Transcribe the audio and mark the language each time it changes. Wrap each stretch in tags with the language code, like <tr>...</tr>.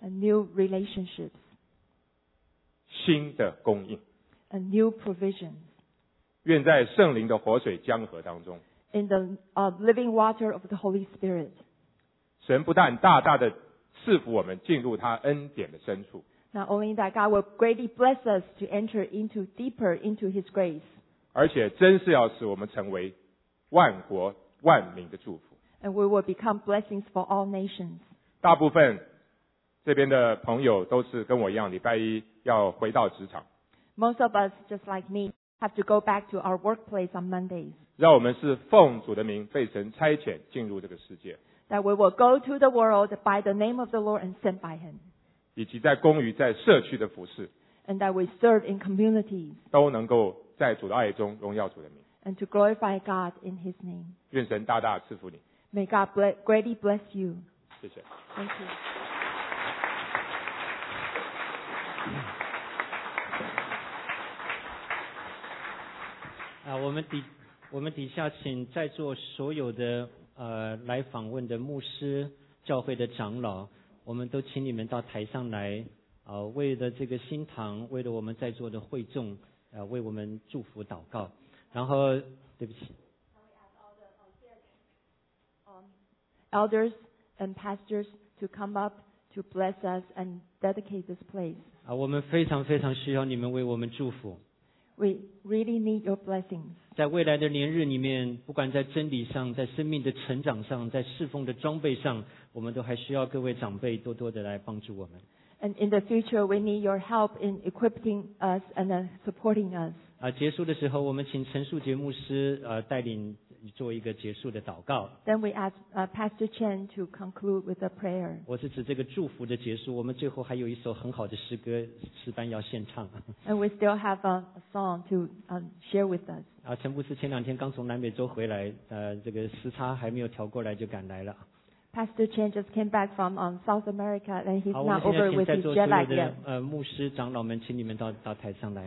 <en>And new relationships.</en> <zh>新的供应。</zh> <en>A new provision.</en> <zh>愿在圣灵的活水江河当中。</zh> <en>In the living water of the Holy Spirit.</en> <zh>神不但大大的赐福我们进入他恩典的深处。</zh> <en>Not only that God will greatly bless us to enter into deeper into His grace.</en> <zh>而且真是要使我们成为万国万民的祝福。</zh> <en>And we will become blessings for all nations.</en> <zh>大部分这边的朋友都是跟我一样，礼拜一要回到职场。</zh> <en>Most of us, just like me, have to go back to our workplace on Mondays.</en> <zh>让我们是奉主的名被神差遣进入这个世界。</zh> <en>That we will go to the world by the name of the Lord and sent by Him.</en> <zh>以及在公余在社区的服事。</zh> <en>And that we serve in communities.</en> <zh>都能够在主的爱中荣耀主的名。</zh> <en>And to glorify God in His name.</en> <zh>愿神大大赐福你。</zh> <en>May God greatly bless you.</en> <zh>谢谢。</zh> <en>Thank you.</en> <zh>我们底下请在座所有的来访问的牧师、教会的长老，我们都请你们到台上来，为了这个新堂，为了我们在座的会众，为我们祝福祷告。然后，对不起。</zh> <en>Elders and pastors to come up to bless us and dedicate this place.</en> <zh>我们非常非常需要你们为我们祝福。</zh> <en>We really need your blessings.</en> <zh>在未来的年日里面，不管在真理上，在生命的成长上，在侍奉的装备上，我们都还需要各位长辈多多的来帮助我们。</zh> <en>And in the future, we need your help in equipping us and supporting us.</en> <zh>结束的时候，我们请陈树杰牧师带领做一个结束的祷告。</zh> <en>Then we ask Pastor Chen to conclude with a prayer.</en> <zh>我是指这个祝福的结束，我们最后还有一首很好的诗歌诗班要献唱。</zh> <en>And we still have a song to share with us.</en> <zh>陈牧师前两天刚从南美洲回来，这个时差还没有调过来就赶来了。</zh> <en>Pastor Chen just came back from South America and he's not over with his jet lag yet.</en> <zh>牧师长老们，请你们到台上来。</zh>